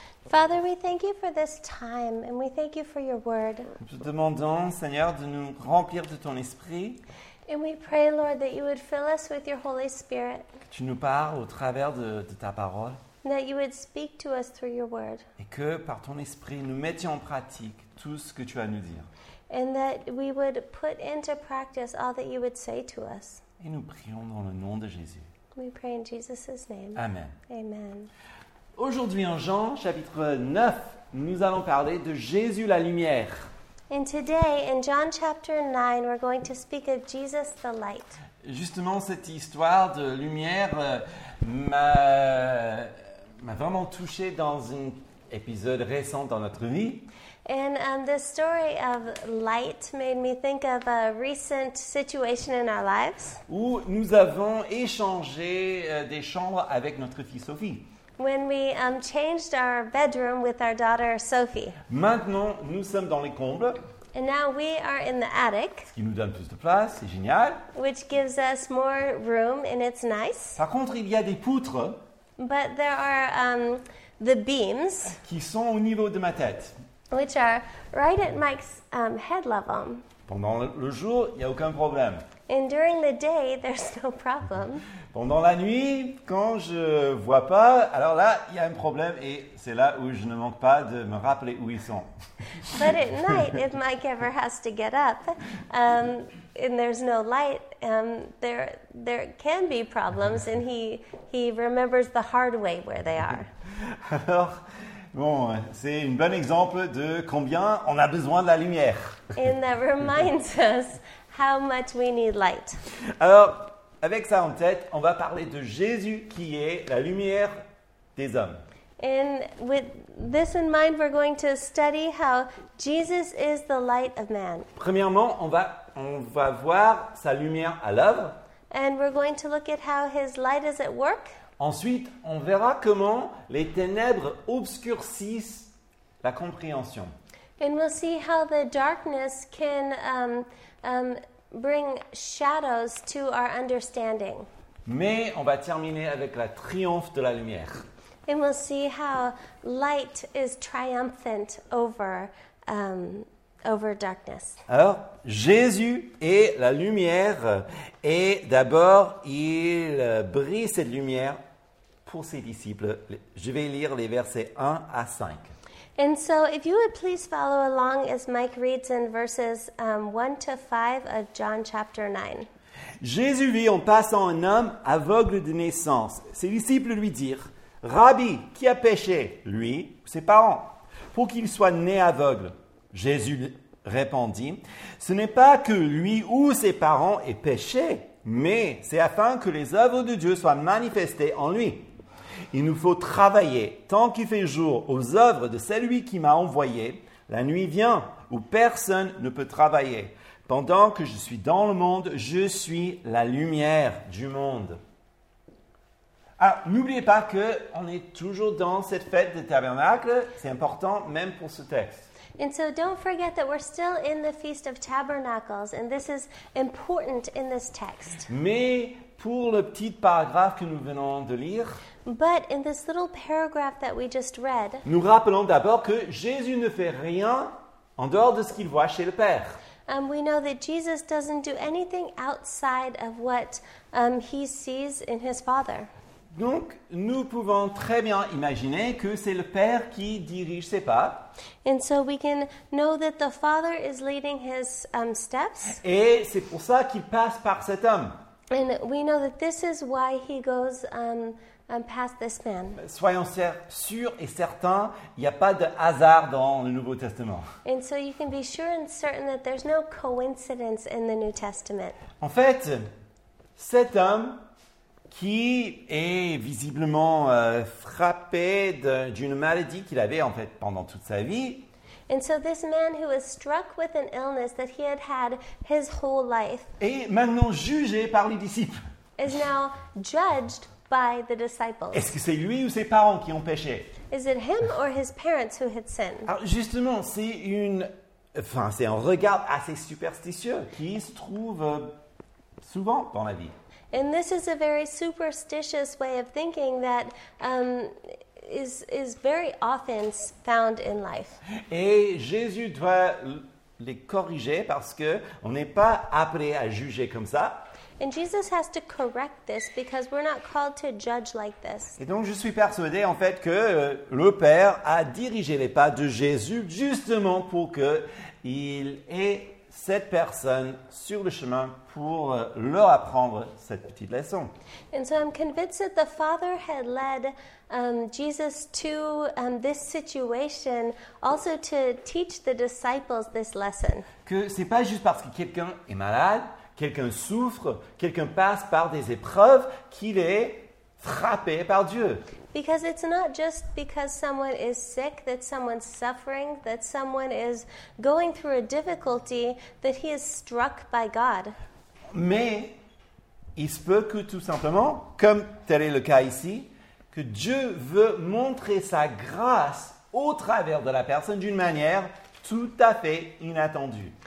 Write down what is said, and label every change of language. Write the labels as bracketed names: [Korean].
[English] Father, we thank you for this time and we thank you for your word. [French] Nous demandons, Seigneur, de nous remplir de ton esprit. [English] And we pray, Lord, that you would fill us with your Holy Spirit. [French] Que tu nous parles au travers de ta parole. [English] And that you would speak to us through your word. [French] Et que par ton esprit, nous mettions en pratique tout ce que tu as à nous dire. [English] And that we would put into practice all that you would say to us. [French] Et nous prions dans le nom de Jésus. [English] We pray in Jesus' name. Amen. Amen. [French] Aujourd'hui en Jean chapitre 9, nous allons parler de Jésus la lumière. [English] And today in John chapter 9, we're going to speak of Jesus the light. [French] Justement, cette histoire de lumière m'a vraiment touché dans un épisode récent dans notre vie. [English] And the story of light made me think of a recent situation in our lives. [French] Où nous avons échangé des chambres avec notre fille Sophie. [English] When we changed our bedroom with our daughter Sophie. [French] Maintenant, nous sommes dans les combles. [English] And now we are in the attic. [French] Ce qui nous donne plus de place, c'est génial. [English] Which gives us more room and it's nice. [French] Par contre, il y a des poutres. [English] But there are the beams. [French] Qui sont au niveau de ma tête. [English] Which are right at Mike's head level. [French] Pendant le jour, il n'y a aucun problème. [English] And during the day, there's no problem. [French] Pendant la nuit, quand je ne vois pas, alors là, il y a un problème et c'est là où je ne manque pas de me rappeler où ils sont. [English] But at night, if Mike ever has to get up and there's no light, there can be problems and he remembers the hard way where they are. [French] Alors, bon, c'est un bon exemple de combien on a besoin de la lumière. [English] And that reminds us how much we need light. [French] Alors, avec ça en tête, on va parler de Jésus qui est la lumière des hommes. [English] And with this in mind, we're going to study how Jesus is the light of man. [French] Premièrement, on va voir sa lumière à l'œuvre. [English] And we're going to look at how his light is at work. [French] Ensuite, on verra comment les ténèbres obscurcissent la compréhension. [English] And we'll see how the darkness can bring shadows to our understanding. [French] Mais on va terminer avec la triomphe de la lumière. [English] And we'll see how light is triumphant over over darkness. [French] Alors, Jésus est la lumière et d'abord, il brille cette lumière pour ses disciples. Je vais lire les versets 1 à 5. [English] And so, if you would please follow along as Mike reads in verses 1 to 5 of John chapter 9. [French] Jésus vit en passant un homme aveugle de naissance. Ses disciples lui dirent, « Rabbi, qui a péché, lui ou ses parents, pour qu'il soit né aveugle ?» Jésus répondit, « Ce n'est pas que lui ou ses parents aient péché, mais c'est afin que les œuvres de Dieu soient manifestées en lui. » Il nous faut travailler tant qu'il fait jour aux œuvres de celui qui m'a envoyé. La nuit vient où personne ne peut travailler. Pendant que je suis dans le monde, je suis la lumière du monde. Alors, n'oubliez pas qu'on est toujours dans cette fête des tabernacles. C'est important même pour ce texte. [English] And so don't forget that we're still in the Feast of Tabernacles and this is important in this text. [French] Mais pour le petit paragraphe que nous venons de lire, [English] but in this little paragraph that we just read, [French] nous rappelons d'abord que Jésus ne fait rien en dehors de ce qu'il voit chez le Père. [English] We know that Jesus doesn't do anything outside of what he sees in his Father. [French] Donc, nous pouvons très bien imaginer que c'est le Père qui dirige ses pas. [English] And so we can know that the Father is leading his steps. [French] Et c'est pour ça qu'il passe par cet homme. [English] And we know that this is why he goes past this man. [French] Soyons sûrs et certains, il n'y a pas de hasard dans le Nouveau Testament. [English] And so you can be sure and certain that there's no coincidence in the New Testament. [French] En fait, cet homme qui est visiblement frappé d'une maladie qu'il avait en fait pendant toute sa vie. [English] And so this man who was struck with an illness that he had had his whole life. [French] Et maintenant jugé par les disciples. [English] Is now judged by the disciples. [French] Est-ce que c'est lui ou ses parents qui ont péché? [English] Is it him or his parents who had sinned? [French] Alors justement, c'est un regard assez superstitieux qui se trouve souvent dans la vie. [English] And this is a very superstitious way of thinking that is very often found in life. [French] Et Jésus doit les corriger parce que on n'est pas appelé à juger comme ça. [English] And Jesus has to correct this because we're not called to judge like this. [French] Et donc je suis persuadé en fait que le Père a dirigé les pas de Jésus justement pour que il ait cette personne sur le chemin pour leur apprendre cette petite leçon. [English] And so I'm convinced that the Father had led Jesus to this situation also to teach the disciples this lesson. [French] Que c'est pas juste parce que quelqu'un est malade, quelqu'un souffre, quelqu'un passe par des épreuves qu'il est frappé par Dieu. [English] Because it's not just because someone is sick, that someone's suffering, that someone is going through a difficulty, that he is struck by God. [French] Mais il se peut que tout simplement, comme tel est le cas ici, que Dieu veut montrer sa grâce au travers de la personne d'une manière tout à fait inattendue.